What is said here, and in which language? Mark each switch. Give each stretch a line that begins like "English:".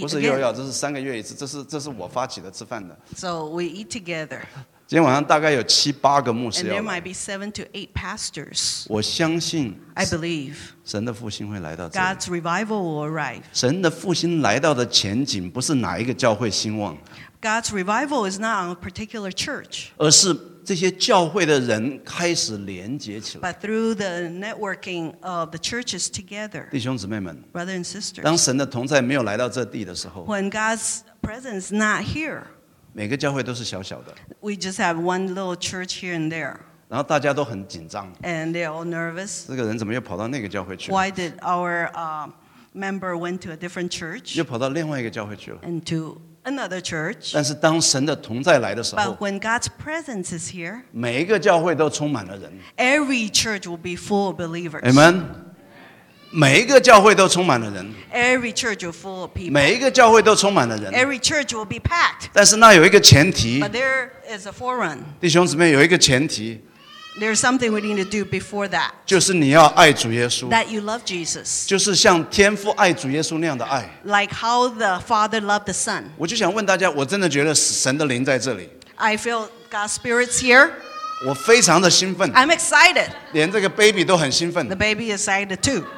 Chinese: 不是又要, 这是三个月一次, 这是我发起的吃饭的,
English: so we eat together.
Chinese: 今天晚上大概有七八个牧师要来,
English: and there might be 7 to 8 pastors.
Chinese: 我相信,
English: I believe,
Chinese: 神的复兴会来到这里,
English: God's revival will arrive.
Chinese: 神的复兴来到的前景不是哪一个教会兴旺,
English: God's revival is not on a particular church,
Chinese: 而是这些教会的人开始连接起来,
English: but through the networking of the churches together.
Chinese: 弟兄姊妹们,
English: brothers and sisters,
Chinese: 当神的同在没有来到这地的时候,
English: when God's presence is not here,
Chinese: 每个教会都是小小的,
English: we just have one little church here and there,
Chinese: 然后大家都很紧张,
English: and they're all nervous.
Chinese: 这个人怎么又跑到那个教会去了?
English: Why did our member went to a different church?
Chinese: 又跑到另外一个教会去了?
English: And to another church.
Chinese: 但是当神的同在来的时候,
English: but when God's presence is here,
Chinese: 每一个教会都充满了人,
English: every church will be full of believers. Amen.
Chinese: 每一个教会都充满了人,
English: every church will be full of people.
Chinese: 每一个教会都充满了人,
English: every church will be packed.
Chinese: 但是那有一个前提,
English: but there is a forerun.
Chinese: 弟兄姊妹有一个前提,
English: there's something we need to do before that.
Chinese: 就是你要爱主耶稣,
English: that you love Jesus.
Chinese: 就是像天父爱主耶稣那样的爱,
English: like how the Father loved the Son.
Chinese: 我就想问大家, 我真的觉得神的灵在这里,
English: I feel God's Spirit's here.
Chinese: 我非常的兴奋,
English: I'm excited.
Chinese: 连这个baby都很兴奋,
English: the baby is excited too.